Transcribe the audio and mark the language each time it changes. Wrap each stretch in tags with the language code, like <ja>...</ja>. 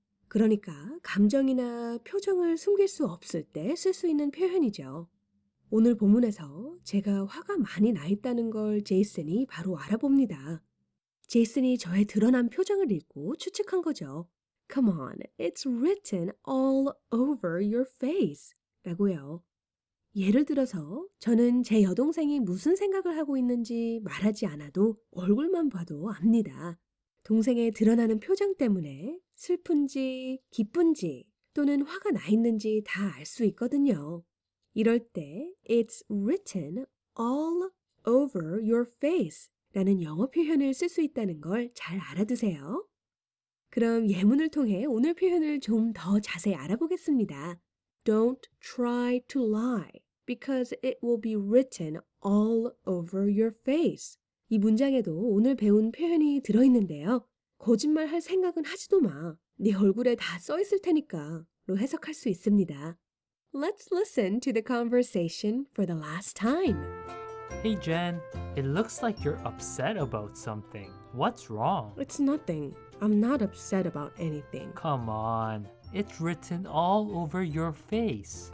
<ko>그러니까 감정이나 표정을 숨길 수 없을 때 쓸 수 있는 표현이죠. 오늘 본문에서 제가 화가 많이 나 있다는 걸 제이슨이 바로 알아봅니다. 제이슨이 저의 드러난 표정을 읽고 추측한 거죠.</ko> <en>Come on, it's written all over your face.</en> <ko>라고요. 예를 들어서 저는 제 여동생이 무슨 생각을 하고 있는지 말하지 않아도 얼굴만 봐도 압니다. 동생의 드러나는 표정 때문에 슬픈지 기쁜지 또는 화가 나 있는지 다 알 수 있거든요. 이럴 때</ko> <en>It's written all over your face</en> <ko>라는 영어 표현을 쓸 수 있다는 걸 잘 알아두세요. 그럼 예문을 통해 오늘 표현을 좀 더 자세히 알아보겠습니다.</ko> <en>Don't try to lie because it will be written all over your face.</en> <ko>이 문장에도 오늘 배운 표현이 들어있는데요. 거짓말 할 생각은 하지도 마. 네 얼굴에 다 써 있을 테니까. 로 해석할 수 있습니다.</ko> <en>Let's listen to the conversation for the last time. Hey Jen, it looks like you're upset about something. What's wrong? It's nothing. I'm not upset about anything. Come on. It's written all over your face.</en>